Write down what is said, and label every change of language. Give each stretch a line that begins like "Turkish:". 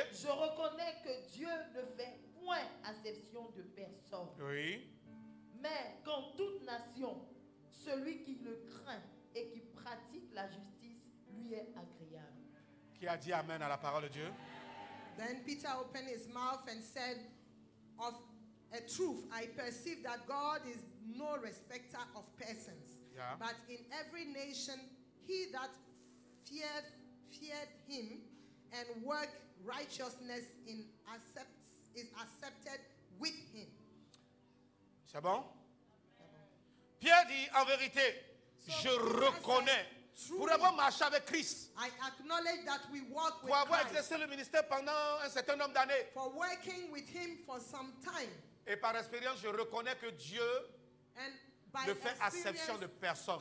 French: je reconnais que Dieu ne fait point acception de personne. Oui. Mais qu'en toute nation, celui qui le craint et qui pratique la justice, lui est agréable. Qui a dit amen à la parole de Dieu?
English: Then Peter opened his mouth and said, of a truth, I perceive that God is no respecter of persons. Yeah. But in every nation, he that feared him and work righteousness in accepts is accepted with him.
French: C'est bon? Pierre dit en vérité, so je Peter reconnais
English: said, truly,
French: pour avoir marché avec Christ,
English: I acknowledge that we walk
French: pour avoir
English: with Christ,
French: exercé le ministère pendant un certain nombre d'années,
English: for working with him for some time,
French: et par expérience, je reconnais que Dieu ne fait acception de personne.